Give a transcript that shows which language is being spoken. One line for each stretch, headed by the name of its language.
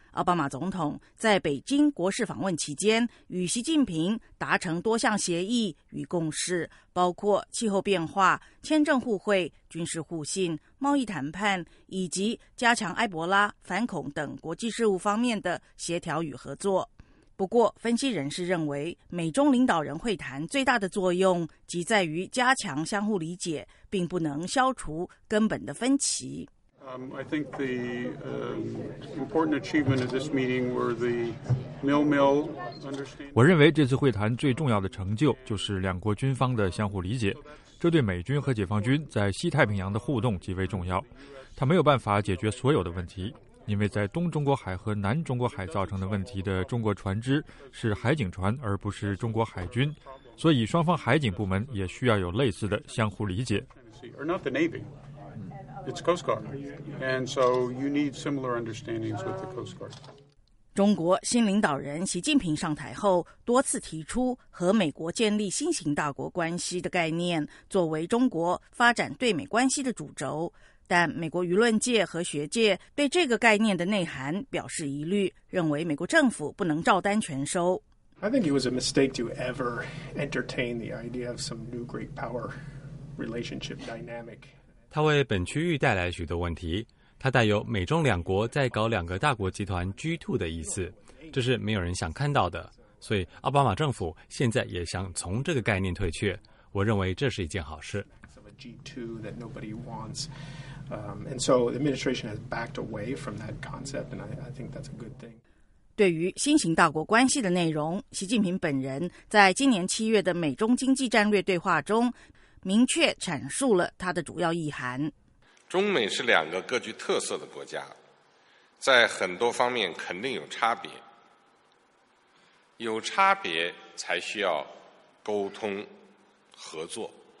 Chinese: 奥巴马总统在北京国事访问期间与习近平达成多项协议与共识，包括气候变化、签证互惠、军事互信、贸易谈判以及加强埃博拉、反恐等国际事务方面的协调与合作。不过分析人士认为，美中领导人会谈最大的作用即在于加强相互理解，并不能消除根本的分歧。
English: I think the important achievement of this meeting were the mil-mil understanding.
Chinese: 我认为这次会谈最重要的成就就是两国军方的相互理解，这对美军和解放军在西太平洋的互动极为重要。它没有办法解决所有的问题，因为在东中国海和南中国海造成的问题的中国船只是海警船而不是中国海军，所以双方海警部门也需要有类似的相互理解。中国新领导人习近平上台后多次提出和美国建立新型大国关系的概念作为中国发展对美关系的主轴，但美国舆论界和学界对这个概念的内涵表示疑虑，认为美国政府不能照单全收。
English: I think it was a mistake to ever entertain the idea of some new great power relationship dynamic.
Chinese: 它为本区域带来许多问题，它带有美中两国在搞两个大国集团 G2 的意思，这是没有人想看到的，所以奥巴马政府现在也想从这个概念退却，我认为这是一件好事。
English: G2 that nobody wants. And so the administration has backed away from that concept, and I think that's a good thing.
Chinese: 对于新型大国关系的内容，习近平本人在今年七月的美中经济战略对话中明确阐述了他的主要意涵。中美是两个各具特色的国家，在很多方面肯定有差别，有差别才需要沟通合作。